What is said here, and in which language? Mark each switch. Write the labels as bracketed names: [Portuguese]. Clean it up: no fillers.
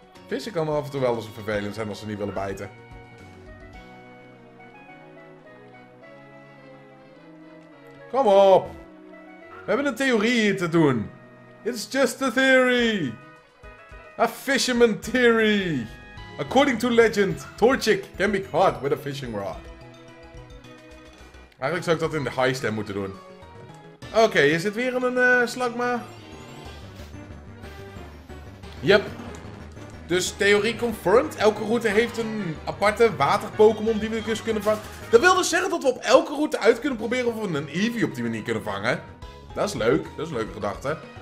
[Dutch] Vissen kan af en toe wel eens vervelend zijn als ze niet willen bijten. Kom op! We hebben een theorie hier te doen. [English] It's just a theory! A fisherman theory! According to legend, Torchic can be caught with a fishing rod. [Dutch] Eigenlijk zou ik dat in de high stem moeten doen. Oké, is dit weer een Slakma? Yep. Dus theorie confirmed. Elke route heeft een aparte water-Pokémon die we dus kunnen vangen. Dat wil dus zeggen dat we op elke route uit kunnen proberen of we een Eevee op die manier kunnen vangen. Dat is leuk. Dat is een leuke gedachte.